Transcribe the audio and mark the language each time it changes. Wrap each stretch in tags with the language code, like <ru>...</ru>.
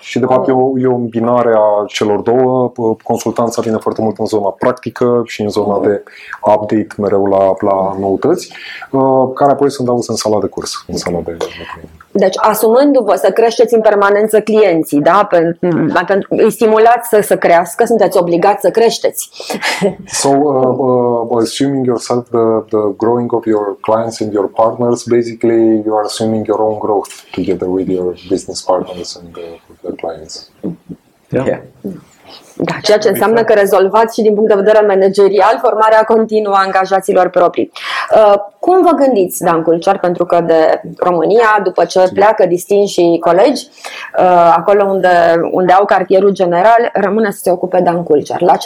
<ro>Și de fapt e o îmbinare a celor două. Consultanța vine foarte mult în zona practică și în zona de update mereu la noutăți, care apoi sunt aduse în sala de curs, în sala de training. Deci, asumându-vă să creșteți în permanență clienții, da? Îi stimulați să crească, sunteți obligați să creșteți.</ro> <en>So, assuming yourself the growing of your clients and your partners, basically you are assuming your own growth together with your business partners and the clients.</en> <ro>Da, ceea ce înseamnă că rezolvați și din punct de vedere managerial formarea continuă a angajaților proprii. Cum vă gândiți, Dan Culcear, pentru că de România, după ce pleacă distinșii colegi, acolo unde au cartierul general, rămâne să se ocupe Dan Culcear?</ro>